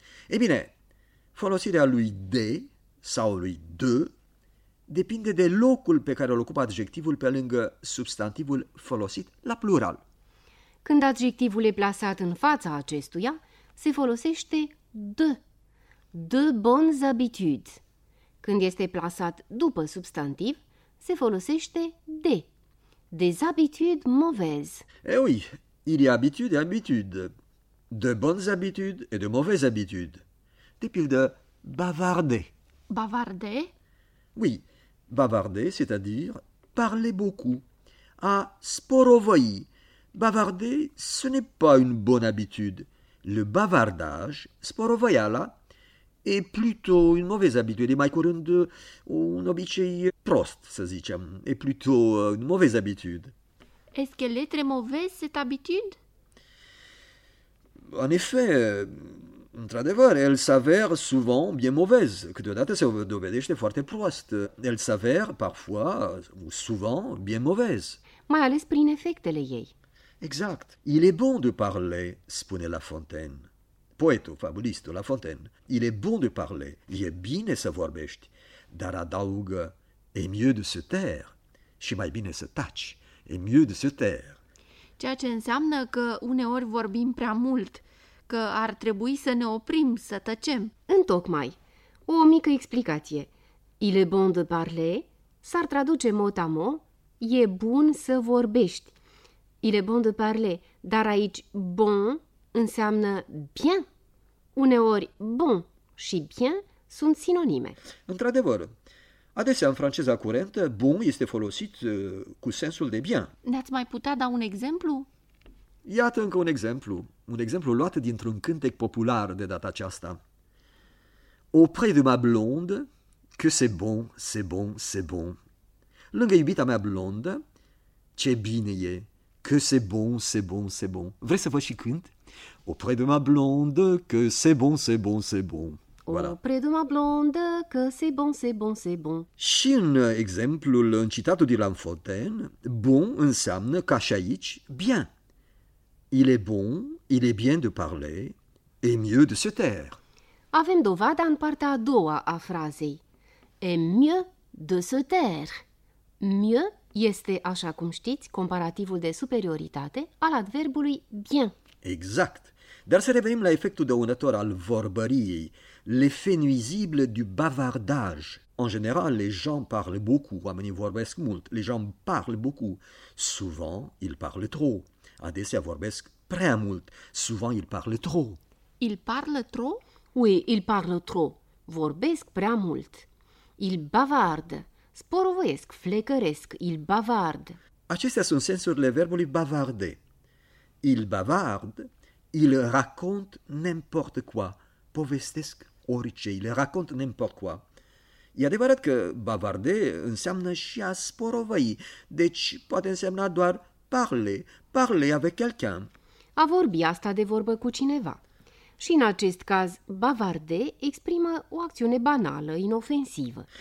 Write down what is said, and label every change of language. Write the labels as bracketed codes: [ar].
[ro] Ei bine, folosirea lui de sau lui de depinde de locul pe care îl ocupă adjectivul pe lângă substantivul folosit la plural. Când adjectivul e plasat în fața acestuia, se folosește de. [fr] De bonnes habitudes. [ro] Când este plasat după substantiv, se folosește de. [fr] Des habitudes mauvaises. Eh oui, il y a habitude et habitude. De bonnes habitudes et de mauvaises habitudes. [ro] De pildă, bavarder. [fr] Bavarder? Oui. Bavarder, c'est-à-dire parler beaucoup, [ro] à sporovoi. [fr] Bavarder, ce n'est pas une bonne habitude. Le bavardage, [ro] sporovoiala, [fr] est plutôt une mauvaise habitude. [ro] Et mai curând, un obicei prost, să zicem, [fr] est plutôt une mauvaise habitude. Est-ce qu'elle est très mauvaise, cette habitude? En effet, [ro] într-adevăr, [fr] elle s'avère souvent bien mauvaise. [ro] Câteodată se dovedește foarte proastă. [fr] Elle s'avère parfois, ou souvent, bien mauvaise. [ro] Mai ales prin efectele ei. [fr] Exact. Il est bon de parler, [ro] spune [fr] La Fontaine. [ro] Poetul, fabulistul La Fontaine. [fr] Il est bon de parler. [ro] E bine să vorbești. Dar adaugă, [fr] e mieux de se taire. [ro] Și mai bine să taci. [fr] E mieux de se taire. [ro] Ceea ce înseamnă că uneori vorbim prea mult. Că ar trebui să ne oprim, să tăcem. Întocmai. O mică explicație. [fr] Il est bon de parler [ro] s-ar traduce mot à mot, e bun să vorbești. [fr] Il est bon de parler, [ro] dar aici bon înseamnă bien. Uneori bon și bien sunt sinonime. Într-adevăr, adesea în franceza curentă, bon este folosit cu sensul de bien. Ne-ați mai putea da un exemplu? Iată încă un exemplu. Un exemplu luat dintr-un cântec popular de data aceasta. [fr] Auprès de ma blonde, que c'est bon, c'est bon, c'est bon. [ro] Lângă iubita mea blondă, ce bine e, [fr] que c'est bon, c'est bon, c'est bon. [ro] Vrei să vă și cânt? [fr] Auprès de ma blonde, que c'est bon, c'est bon, c'est bon. Voilà. Auprès de ma blonde, que c'est bon, c'est bon, c'est bon. [ro] Și în exemplul citatul de La Fontaine, bon înseamnă, ca și aici, bien. [fr] Il est bon, il est bien de parler, et mieux de se taire. [ro] Avem dovada în partea a doua a frazei. [fr] Et mieux de se taire. [ro] Mieux este, așa cum știți, comparativul de superioritate al adverbului bien. Exact. Dar să revenim la efectul dăunător al vorbăriei, [fr] l'effet nuisible du bavardage. En général, les gens parlent beaucoup, [ro] oamenii vorbesc mult, [fr] les gens parlent beaucoup. Souvent, ils parlent trop. [ro] Adesea vorbesc prea mult. [fr] Souvent, il parle trop. Il parle trop? Oui, il parle trop. [ro] Vorbesc prea mult. [fr] Il bavarde. [ro] Sporovoiesc, flecăresc. [fr] Il bavarde. [ro] Acestea sunt sensurile verbului bavarde. [fr] Il bavarde. Il raconte n'importe quoi. [ro] Povestesc orice. [fr] Il raconte n'importe quoi. [ro] E adevărat că bavarde înseamnă și a sporovăi. Deci, poate însemna doar [fr] parler, parler avec quelqu'un. [ro] A vorbi, asta de vorbă cu cineva. Și în acest caz, bavarde exprimă o acțiune banală, inofensivă.